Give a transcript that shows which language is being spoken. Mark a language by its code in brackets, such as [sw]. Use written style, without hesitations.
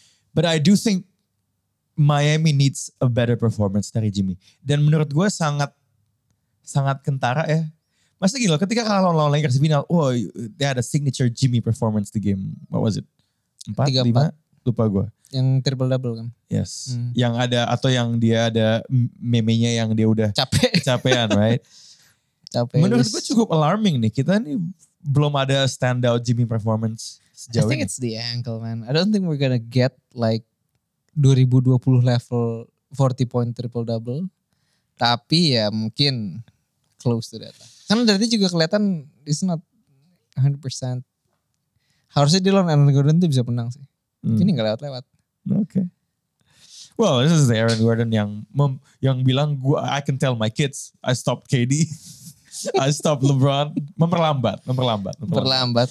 [en] But I do think Miami needs a better performance dari Jimmy. [id] Dan menurut gue sangat sangat kentara ya. Maksudnya gini loh, ketika kalah lawan Lakers final, [en] oh, they had a signature Jimmy performance di game, what was it? [id] 4-5? Lupa gue. Yang triple-double kan? [en] Yes. Hmm. [id] Yang ada, atau yang dia ada meme-nya yang dia udah capek. Capean, right? Capek. Menurut gue cukup alarming nih, kita nih belum ada standout Jimmy performance sejauh [en] ini. I think it's the ankle, man. I don't think we're gonna get like 2020 level 40 point triple-double. [id] Tapi ya mungkin [en] close to that. [id] Karena dari juga kelihatan [en] it's not 100%. [id] Harusnya dia lawan Aaron Gordon tuh bisa menang sih. Ini gak lewat-lewat. [en] Okay. Well, this is Aaron Gordon [id] yang bilang gua, [en] I can tell my kids I stop KD, I stop LeBron. [id] Memperlambat